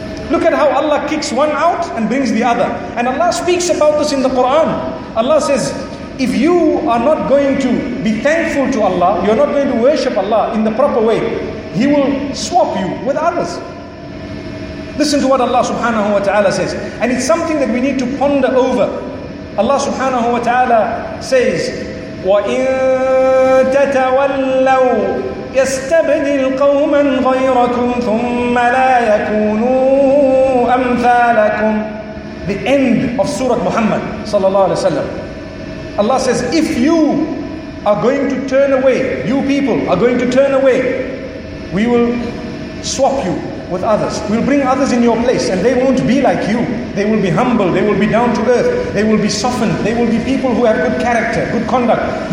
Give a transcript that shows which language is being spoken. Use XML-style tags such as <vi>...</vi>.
<en>Look at how Allah kicks one out and brings the other. And Allah speaks about this in the Quran. Allah says, if you are not going to be thankful to Allah, you're not going to worship Allah in the proper way, He will swap you with others. Listen to what Allah subhanahu wa ta'ala says. And it's something that we need to ponder over.</en> <ar>Allah subhanahu wa ta'ala says, وَإِن تَتَوَلَّوْا يَسْتَبْدِلْ قَوْمًا غَيْرَكُمْ ثُمَّ لَا يَكُونُوا أَمْثَالَكُمْ.</ar> <en>The end of Surah Muhammad sallallahu alayhi wa sallam. Allah says, if you are going to turn away, you people are going to turn away, we will swap you with others. We'll bring others in your place, and they won't be like you. They will be humble, they will be down to earth, they will be softened, they will be people who have good character, good conduct.</en>